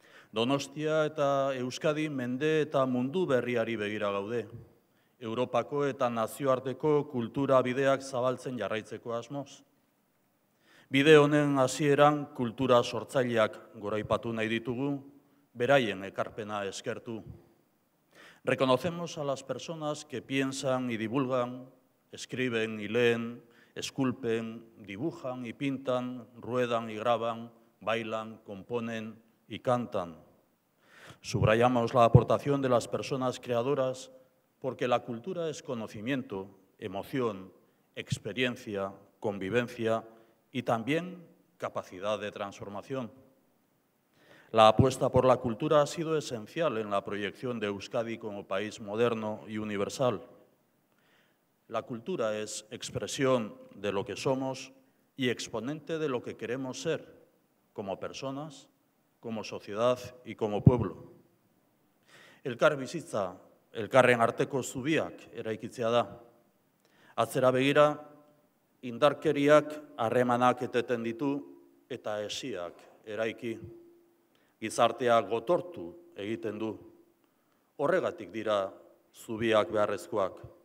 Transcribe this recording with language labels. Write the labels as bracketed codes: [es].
[eu] Donostia eta Euskadi mende eta mundu berriari begira gaude. Europako eta nazioarteko kultura bideak zabaltzen jarraitzeko asmoz. Bide honen hasieran kultura sortzaileak goraipatu nahi ditugu, beraien ekarpena eskertu. [es] Reconocemos a las personas que piensan y divulgan, escriben y leen, esculpen, dibujan y pintan, ruedan y graban, bailan, componen y cantan. Subrayamos la aportación de las personas creadoras porque la cultura es conocimiento, emoción, experiencia, convivencia y también capacidad de transformación. La apuesta por la cultura ha sido esencial en la proyección de Euskadi como país moderno y universal. La cultura es expresión de lo que somos y exponente de lo que queremos ser, como personas, como sociedad y como pueblo. [eu] Elkar bizitza, elkarren arteko zubiak eraikitzea da. Atzera begira, indarkeriak harremanak eteten ditu eta hesiak eraiki. Gizartea gotortu egiten du. Horregatik dira zubiak beharrezkoak.